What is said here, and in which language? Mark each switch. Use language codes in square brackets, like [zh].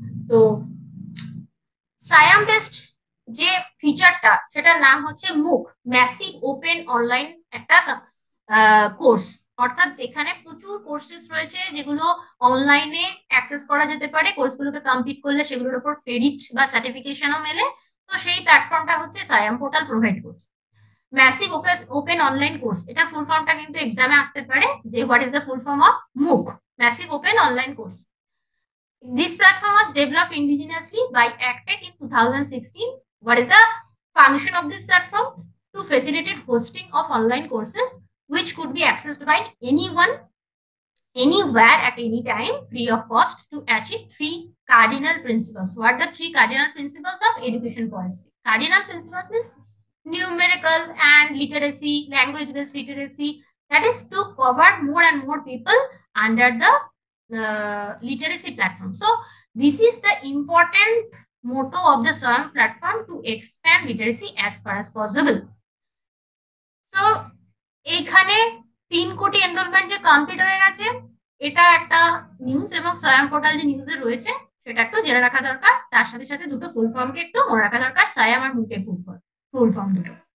[bn] তো সায়াম বেস্ট যে ফিচারটা সেটার নাম হচ্ছে মুখ, ম্যাসিভ ওপেন অনলাইন একটা কোর্স, অর্থাৎ যেখানে প্রচুর কোর্সেস রয়েছে যেগুলো অনলাইনে অ্যাক্সেস করা যেতে পারে, কোর্সগুলোকে কমপ্লিট করলে সেগুলোর উপর ক্রেডিট বা সার্টিফিকেশনও মেলে। তো সেই প্ল্যাটফর্মটা হচ্ছে সায়াম পোর্টাল প্রোভাইড করছে, massive open open online course. এটা ফুল ফর্মটা কিন্তু এক্সামে আসতে পারে যে [en] what is the full form of MOOC, [bn] massive open online course. [en] This platform was developed indigenously by ACTEC in 2016. What is the function of this platform? To facilitate hosting of online courses which could be accessed by anyone, anywhere, at any time, free of cost, to achieve 3 cardinal principles. What are the 3 cardinal principles of education policy? Cardinal principles is numerical and literacy, language-based literacy, that is to cover more and more people under the literacy platform. So this is the important motto of the Swayam platform, to expand literacy as far as possible. [bn] So এখানে 3 কোটি enrolment যে complete হয়ে গেছে এটা একটা news, এবং সয়াম portal যে নিউজে রয়েছে সেটা একটু জেনে রাখা দরকার। তার সাথে সাথে দুটো ফুল ফর্মকে একটু মনে রাখা দরকার, সয়াম আর মুখের ফুল ফর্ম দুটো।